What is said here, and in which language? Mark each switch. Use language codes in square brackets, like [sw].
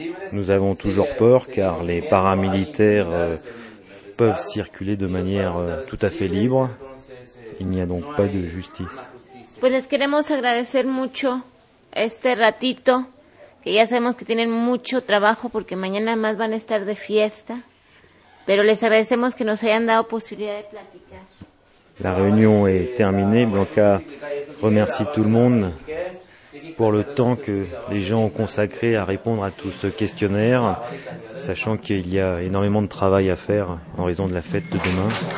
[fr] Nous avons toujours peur car les paramilitaires peuvent circuler de manière tout à fait libre, il n'y a donc pas de justice. [es] Pues les queremos agradecer mucho este ratito, que ya sabemos que tienen mucho trabajo porque mañana más van a estar de fiesta, pero les agradecemos que nos hayan dado posibilidad de platicar. [fr] La réunion est terminée. Blanca remercie tout le monde pour le temps que les gens ont consacré à répondre à tout ce questionnaire, sachant qu'il y a énormément de travail à faire en raison de la fête de demain.